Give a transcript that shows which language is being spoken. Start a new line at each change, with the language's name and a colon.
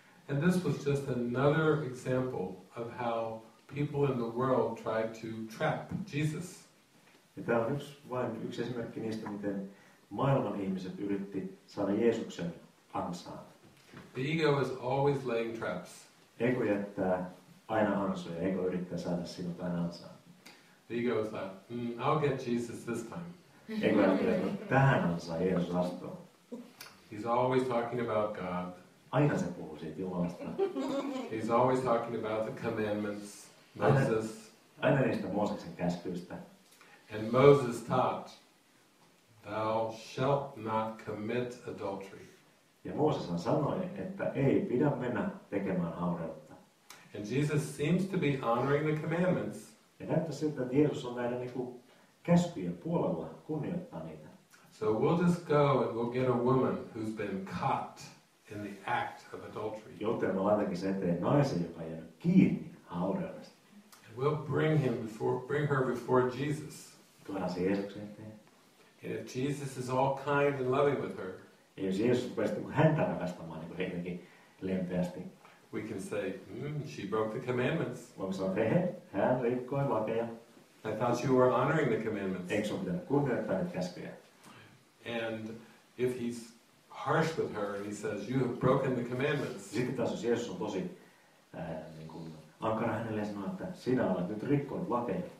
English: And this was just another example of how people in the world tried to trap Jesus.
Finnish: Ja tämä on yksi esimerkki niistä, miten maailman ihmiset yritti saada Jeesuksen ansaan.
English: The ego is always laying traps.
Finnish: Ego jättää aina ansoja, ego yrittää saada sinut aina ansaan.
English: The ego is like, I'll get Jesus this time.
Finnish: Ego ajattelee, että tähän ansaan Jeesus astuu.
English: He's always talking about God.
Finnish: Aina se puhuu siitä Jumalasta.
English: He's always talking about the commandments, Moses.
Finnish: Aina niistä Mooseksen käskyistä.
English: And Moses taught, thou shalt not commit adultery.
Finnish: Ja Mooses sanoi, että ei pidä mennä tekemään haureutta.
English: And Jesus seems to be honoring the commandments.
Finnish: Ja näyttää siltä, että Jeesus on näiden käskyjen puolella kunnioittaa niitä.
English: So we'll just go and we'll get a woman who's been caught in the act of adultery.
Finnish: Joten me laitankin se eteen naisen, joka on jäänyt kiinni haureudesta.
English: And we'll bring her before Jesus.
Finnish: Tuodaan se Jeesuksen eteen.
English: And if Jesus is all kind and loving with her,
Finnish: ja jos Jeesus rupeaa häntä rakastamaan niin heitäkin lempeästi,
English: we can say, she broke the commandments.
Finnish: Voimme sanoa, että hän rikkoi lakeja.
English: I thought you were honoring the commandments.
Finnish: Eikö sinun pitänyt kunnioittaa niitä käskyjä?
English: And if he's harsh with her and he says, you have broken the commandments.
Finnish: Sitten taas jos Jeesus on tosi ankara hänelle ja sanoo, että sinä olet nyt rikkoit lakeja.